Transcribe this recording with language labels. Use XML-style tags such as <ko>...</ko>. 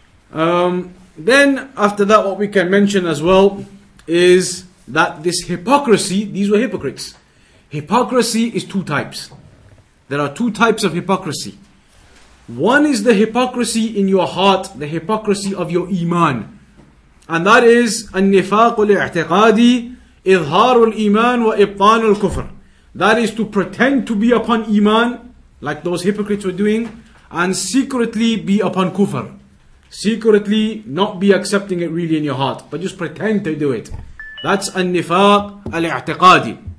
<en>Then, after that, what we can mention as well, is that this hypocrisy, these were hypocrites. Hypocrisy is two types. There are two types of hypocrisy. One is the hypocrisy in your heart, the hypocrisy of your iman. And that is</en> <ar>النفاق الاعتقادي إظهار الإيمان وإبطان الكفر.</ar> <en>That is to pretend to be upon iman, like those hypocrites were doing, and secretly be upon kufr. Secretly not be accepting it really in your heart, but just pretend to do it. That's النفاق الاعتقادي.</en>